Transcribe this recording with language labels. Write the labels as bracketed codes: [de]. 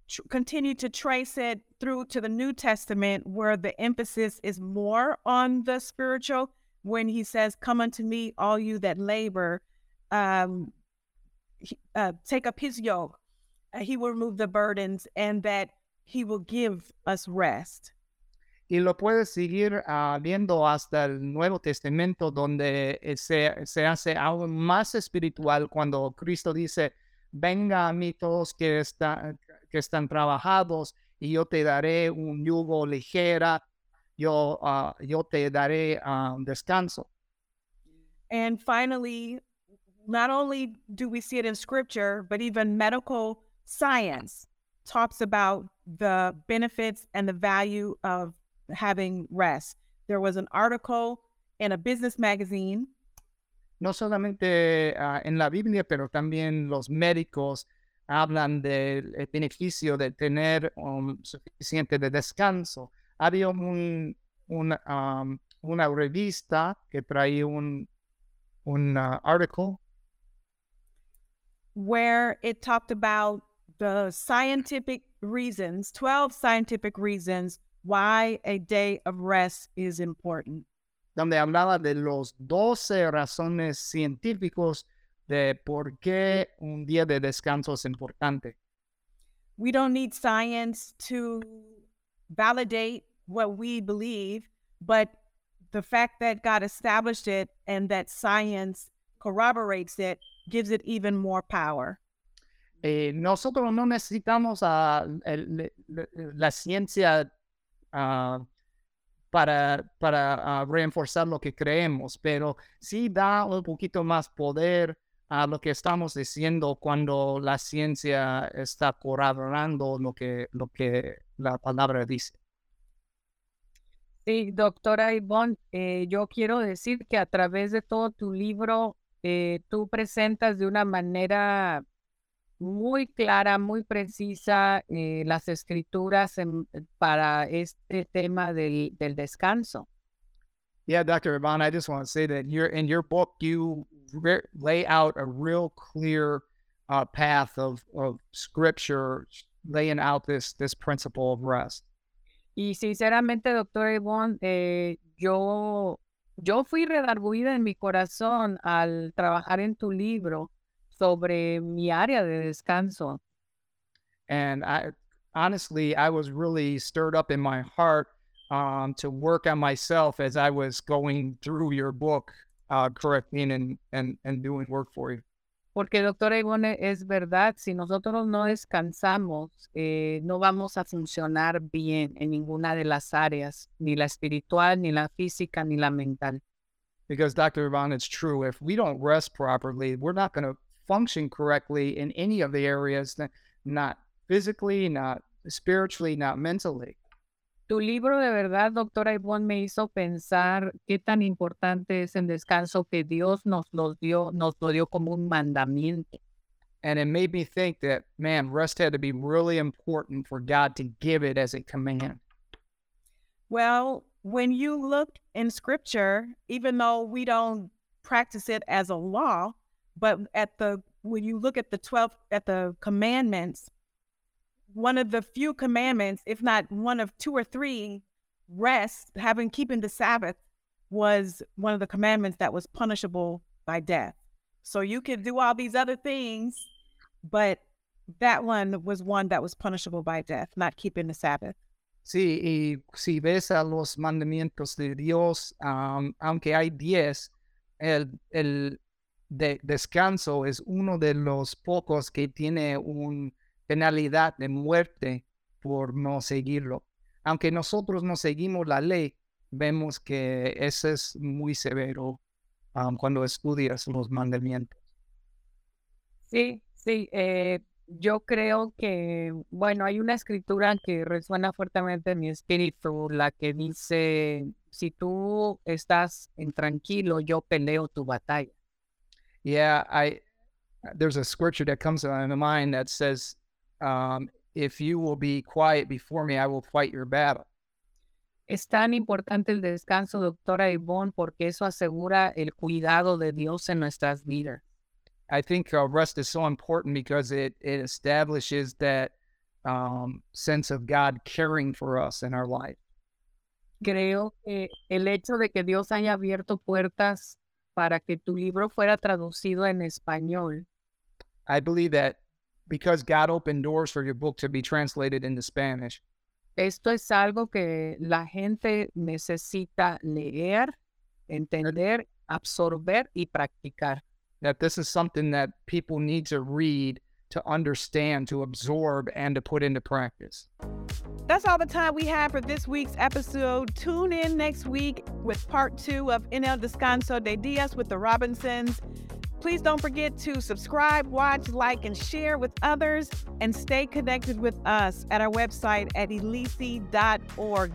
[en] Continue to trace it through to the New Testament, where the emphasis is more on the spiritual, when he says, come unto me, all you that labor, take up his yoke, he will remove the burdens, and that he will give us rest. [es] Y lo puedes seguir viendo hasta el Nuevo Testamento, donde se hace algo más espiritual cuando Cristo dice, venga a mí todos que están trabajados, y yo te daré un yugo ligera, yo te daré descanso. [en] And finally, not only do we see it in scripture, but even medical science talks about the benefits and the value of having rest. There was an article in a business magazine. [es] No solamente en la Biblia, pero también los médicos hablan del beneficio de tener suficiente de descanso. Había una revista que traía un article [en] where it talked about the scientific reasons, 12 scientific reasons why a day of rest is important. [es] Donde hablaba de los 12 razones científicos de por qué un día de descanso es importante. [en] We don't need science to validate what we believe, but the fact that God established it and that science corroborates it gives it even more power. [es] Nosotros no necesitamos la ciencia para reforzar lo que creemos, pero sí da un poquito más poder a lo que estamos diciendo cuando la ciencia está corroborando lo que la palabra dice. Sí, doctora Yvonne, yo quiero decir que a través de todo tu libro, tú presentas de una manera muy clara, muy precisa, las escrituras para este tema del descanso. [en] Yeah, Dr. Yvonne, I just want to say that in your book, you lay out a real clear path of scripture, laying out this principle of rest. [es] Y sinceramente, doctora Yvonne, yo fui redarguida en mi corazón al trabajar en tu libro sobre mi área de descanso. [en] And I was really stirred up in my heart to work on myself as I was going through your book, correcting and doing work for you. [es] Porque, doctora Ivone, es verdad, si nosotros no descansamos, no vamos a funcionar bien en ninguna de las áreas, ni la espiritual, ni la física, ni la mental. [en] Because, Dr. Ivone, it's true, if we don't rest properly, we're not going to function correctly in any of the areas, not physically, not spiritually, not mentally. [es] Tu libro de verdad, doctora Ivone, me hizo pensar qué tan importante es el descanso que Dios nos lo dio como un mandamiento. [en] And it made me think that, man, rest had to be really important for God to give it as a command. Well, when you look in scripture, even though we don't practice it as a law, but when you look at the 12, at the commandments, one of the few commandments, if not one of two or three, rest, keeping the Sabbath, was one of the commandments that was punishable by death. So you could do all these other things, but that one was one that was punishable by death, not keeping the Sabbath. [es] Sí, y si ves a los mandamientos de Dios, aunque hay 10, el de descanso es uno de los pocos que tiene un penalidad de muerte por no seguirlo. Aunque nosotros no seguimos la ley, vemos que eso es muy severo cuando estudias los mandamientos. Sí, sí. Yo creo que, bueno, hay una escritura que resuena fuertemente en mi espíritu, la que dice, si tú estás en tranquilo, yo peleo tu batalla. [en] There's a scripture that comes to my mind that says, if you will be quiet before me, I will fight your battle. [es] Es tan importante el descanso, doctora Yvonne, porque eso asegura el cuidado de Dios en nuestras vidas. [en] I think rest is so important because it establishes that sense of God caring for us in our life. [es] Creo que el hecho de que Dios haya abierto puertas para que tu libro fuera traducido en español. [en] I believe that because God opened doors for your book to be translated into Spanish. [es] Esto es algo que la gente necesita leer, entender, absorber y practicar. [en] That this is something that people need to read, to understand, to absorb, and to put into practice. That's all the time we have for this week's episode. Tune in next week with part 2 of En el Descanso de Díaz with the Robinsons. Please don't forget to subscribe, watch, like, and share with others, and stay connected with us at our website at elici.org.